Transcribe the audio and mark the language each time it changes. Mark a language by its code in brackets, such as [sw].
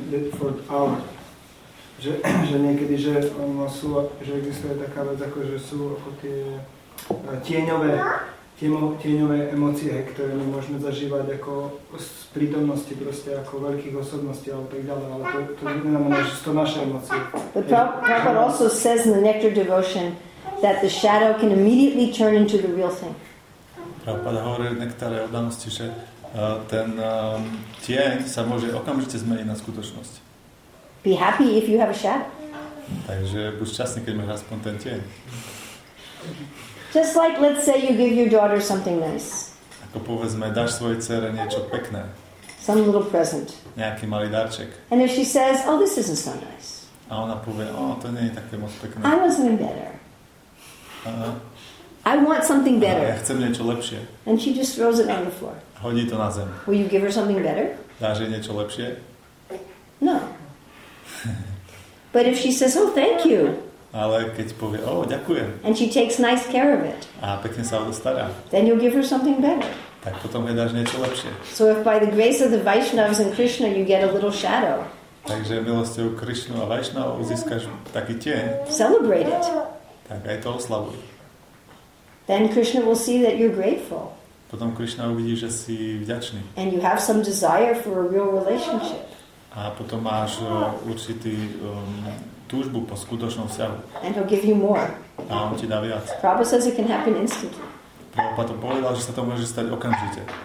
[en] that for our, [sk] že niekedy, že sú, že existuje taká vec, ako že sú ako tie tieňové emócie, ktoré my môžeme zažívať ako z prítomnosti proste ako veľkých osobností a tak ďalej, ale to neznamená, že sú to naše emócie. [en] The Prabhupada also says in the Nectar Devotion that the shadow can immediately turn into the real thing. [sk] Prabhupada hovorí v Nektare o danosti, že ten tieň sa môže okamžite zmeniť na skutočnosť. [en] Be happy if you have a shadow. [sk] Takže buď šťastný, keď máš aspoň ten tieň. [en] Just like, let's say you give your daughter something nice. [sk] Ako povedzme, dáš svojej dcere niečo pekné. [en] Some little present. [sk] Nejaký malý darček. [en] And if she says, oh, this isn't so nice. [sk] A ona povie, to nie je také moc pekné. [en] I want something better. I want something better. [sk] Ja chcem niečo lepšie. [en] And she just throws it on the floor. [sk] Hodí to na zem. [en] Will you give her something better? [sk] Dáš jej niečo lepšie? [en] No. But if she says, oh, thank you. [sk] Ale keď povie, oh, ďakujem. [en] And she takes nice care of it. [sk] A pekne sa o to stará. [en] Then you'll give her something better. [sk] Tak potom jej dáš niečo lepšie. [en] So if by the grace of the Vaishnavas and Krishna you get a little shadow. [sk] Takže milosťou Krishnu a Vaishnavu získaš taký tieň. [en] Celebrate it. [sk] Tak aj to oslavuj. [en] Then Krishna will see that you're grateful. [sk] Potom Krishna uvidí, že si vďačný. [en] And you have some desire for a real relationship. [sk] A potom máš určitý túžbu po skutočnom vzťahu. [en] And he'll give you more. [sk] A on ti dá viac. [en] Prabhupada says it can happen instantly. [sk] Prabhupada povedal, že sa to môže stať okamžite.